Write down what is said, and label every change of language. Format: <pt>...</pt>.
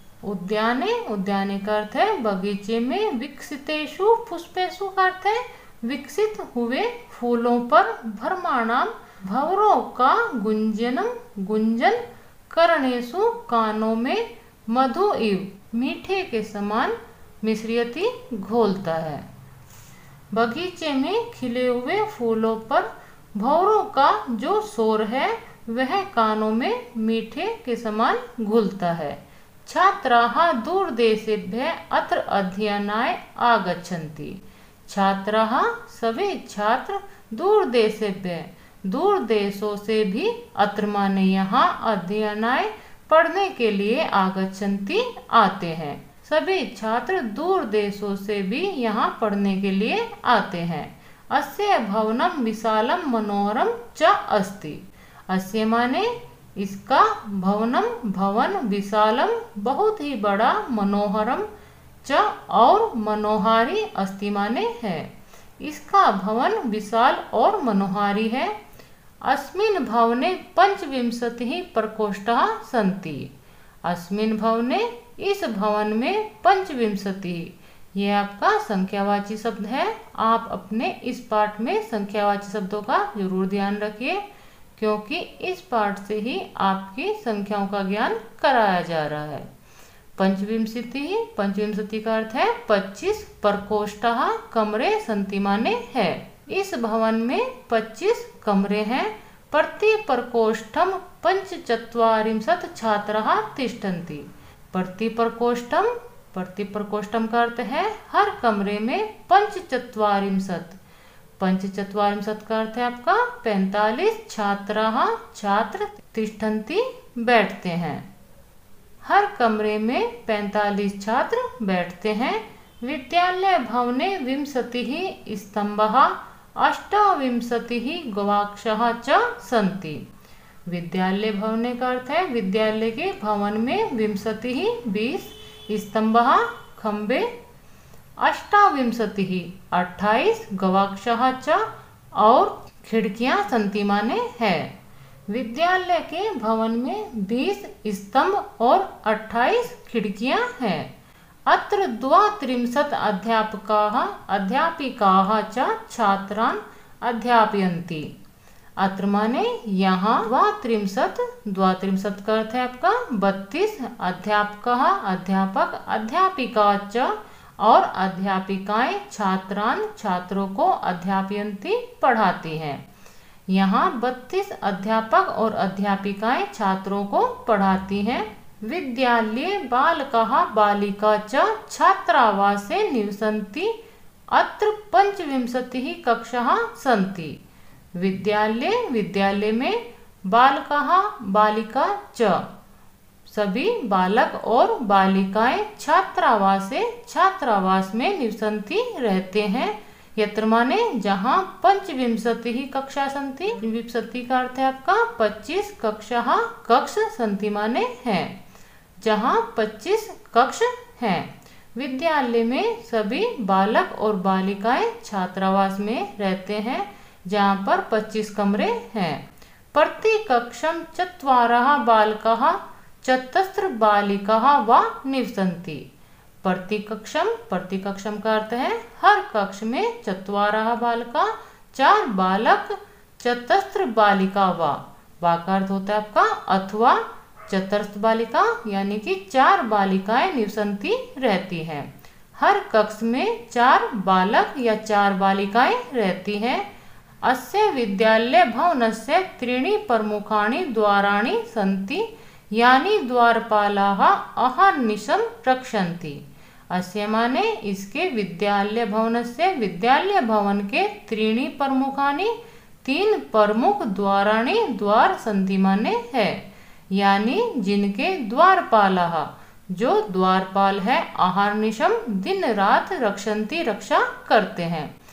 <hi>उद्याने, उद्याने का अर्थ है बगीचे में, विकसितेषु पुष्पेषु का अर्थ है विकसित हुए फूलों पर, भरमाणां भवरों का गुंजनं गुंजन करणेषु कानों में मधु इव मीठे के समान मिश्रयति घोलता है। बगीचे में खिले हुए फूलों पर भौरों का जो शोर है वह कानों में मीठे के समान घुलता है।</hi> <sa>छात्राः दूर देशेभ्यः अत्र अध्ययनाय आगच्छन्ति।</sa> <hi>छात्राः सभी छात्र दूर देशेभ्यः दूर देशों से भी अत्र माने यहाँ अध्ययनाय पढ़ने के लिए आगच्छन्ति आते हैं। सभी छात्र दूर देशों से भी यहाँ पढ़ने के लिए आते हैं।</hi> <sa>अस्य भवनम विशालम मनोहरम च अस्ति।</sa> <hi>अस्य माने इसका भवनम भवन, विशालम बहुत ही बड़ा, मनोहरम च और मनोहारी अस्ति माने है। इसका भवन विशाल और मनोहारी है।</hi> <sa>अस्मिन् भवने पंचविंशतिः प्रकोष्ठाः सन्ति।</sa> <hi>अस्मिन् भवने, इस भवन में पंचविंशतिः, ये आपका संख्यावाची शब्द है। आप अपने इस पाठ में संख्यावाची शब्दों का जरूर ध्यान रखिए क्योंकि इस पाठ से ही आपकी संख्याओं का ज्ञान कराया जा रहा है। पंचविंशतिः, पंचविंशति का अर्थ है 25, प्रकोष्ठाः कमरे सन्ति माने है। इस भवन में 25 कमरे हैं।</hi> <sa>प्रति प्रकोष्ठम पंचचत्वारिंशत् छात्राः तिष्ठन्ति।</sa> <hi>प्रति प्रकोष्ठम, प्रति प्रकोष्ठम का अर्थ है हर कमरे में पंचचत्वारिंशत्, पंचचत्वारिंशत् का अर्थ है आपका 45 छात्राः छात्र तिष्ठन्ति बैठते हैं। हर कमरे में 45 छात्र बैठते हैं।</hi> <sa>विद्यालय भवने विंशतिः स्तंभः अष्टाविंशतिः गवाक्षः च सन्ति।</sa> <hi>विद्यालय भवने का अर्थ है विद्यालय के भवन में विंशतिः 20, स्तंभः खंभे, अष्टाविंशतिः 28, गवाक्षः च और खिड़कियां सन्ति माने है। विद्यालय के भवन में 20 स्तंभ और 28 खिड़कियां हैं।</hi> <sa>अत्र द्वात्रिंशत् अध्यापकाः अध्यापिकाः च छात्रान् अध्यापयन्ति।</sa> <hi>अत्र माने यहाँ, द्वात्रिंशत, द्वात्रिंशत का अर्थ है आपका 32, अध्यापक, अध्यापक, अध्यापिका च और अध्यापिकाएं छात्रान छात्रों को अध्यापयन्ति पढ़ाती हैं। यहाँ 32 अध्यापक और अध्यापिकाएं छात्रों को पढ़ाती हैं।</hi> <sa>विद्यालय बालकः बालिका च छात्रावासे निवसन्ति, अत्र पञ्चविंशतिः कक्षाः सन्ति।</sa> <hi>विद्यालय, विद्यालय में बालकः बालिका च, सभी बालक और बालिकाएं छात्रावासे छात्रावास में निवसन्ति रहते हैं। यत्र माने जहाँ, पञ्चविंशतिः कक्षा सन्ति, विंशति का अर्थ है आपका 25, कक्षाः कक्ष, सन्ति माने हैं, जहाँ 25 कक्ष हैं। विद्यालय में सभी बालक और बालिकाएं छात्रावास में रहते हैं, जहाँ पर 25 कमरे हैं।</hi> <sa>प्रति कक्षम चत्वारः बालकः चतस्त्र बालिकः वा निवसन्ति।</sa> <hi>प्रति कक्षम, प्रति कक्षम का अर्थ है हर कक्ष में चत्वारः बालकः, चार बालक, चतस्त्र बालिका वा, वा का अर्थ होता है आपका अथवा, चतुर्थ बालिका यानी कि चार बालिकाएं निवसंती रहती हैं। हर कक्ष में चार बालक या चार बालिकाएं रहती हैं।</hi> <sa>अस्य विद्यालय भवनस्य त्रीणि प्रमुखाणि द्वाराणि सन्ति, यानी द्वारपालाः अहर्निशं रक्षन्ति।</sa> <hi>अस्य माने इसके विद्यालय भवनस्य, विद्यालय भवन के त्रीणि प्रमुखाणि, तीन प्रमुख द्वाराणि द्वार सन्ति माने है, यानी जिनके द्वारपालः, जो द्वारपाल है, अहर्निशं दिन रात रक्षन्ति रक्षा करते हैं।</hi>